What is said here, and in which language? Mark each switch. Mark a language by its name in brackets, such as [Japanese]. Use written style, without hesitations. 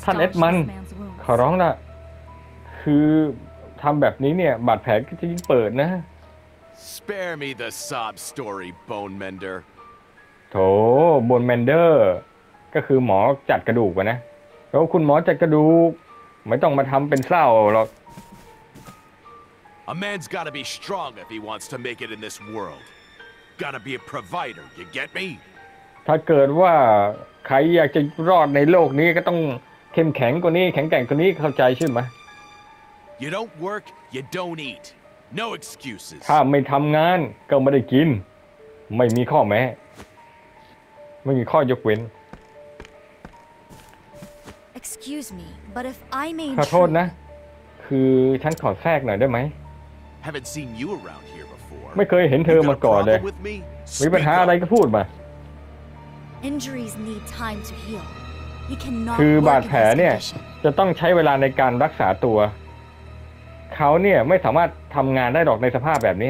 [Thai] ท่านเอ็ดมันขอร้องนะคือทำแบบนี้เนี่ยบาดแผลก็จะยิ่งเปิดนะ [English] Spare me the sob story, Bone Mender. [Thai] โถ Bone Mender ก็คือหมอจัดกระดูกนะแล้วคุณหมอจัดกระดูกไม่ต้องมาทำเป็นเศร้าหรอก [English] A man's gotta be strong if he wants to make it in this worldGotta be a provider. You get me? [Thai] ถ้าเกิดว่าใครอยากจะรอดในโลกนี้ก็ต้องเข้มแข็งกว่านี้แข็งแกร่งกว่านี้เข้าใจใช่ไหม [English] You don't work. You don't eat. No excuses. [Thai] ถ้าไม่ทำงานก็ไม่ได้กินไม่มีข้อแม้ไม่มีข้อยกเว้น [English] Excuse me, but if I may [Thai] ขอโทษนะคือฉันขอแทรกหน่อยได้ไหม [English] Haven't seen you around here. [Thai] ไม่เคยเห็นเธอมาก่อนเลยมีปัญหาอะไรก็พูดมา [English] Injuries need time to heal. You cannot. [Thai] คือบาดแผลเนี่ยจะต้องใช้เวลาในการรักษาตัวเขาเนี่ยไม่สามารถทำงานได้หรอกในสภาพแบบนี